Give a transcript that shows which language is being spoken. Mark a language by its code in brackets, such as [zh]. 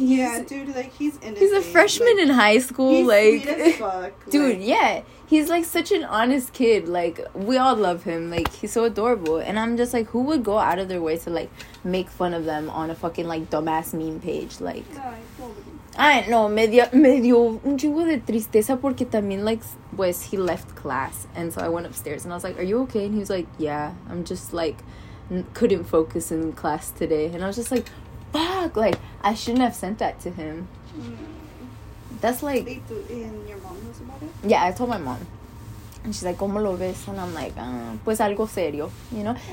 [en] he's... Yeah, dude, like, he's innocent. He's a freshman, like, in high school. He's, like, sweet as fuck. Dude, like, yeah. He's, like, such an honest kid. Like, we all love him. Like, he's so adorable. And I'm just like, who would go out of their way to, like, make fun of them on a fucking, like, dumbass meme page? Like... No, I know. [es] Me dio un chingo de tristeza porque también, like, pues, [en] he left class. And so I went upstairs and I was like, are you okay? And he was like, yeah. I'm just, like, couldn't focus in class today. And I was just like... Fuck, like, I shouldn't have sent that to him. That's like... And your mom knows about it? Yeah, I told my mom. And she's like, [es] ¿cómo lo ves? [en] And I'm like, [es] pues algo serio, [en] you know?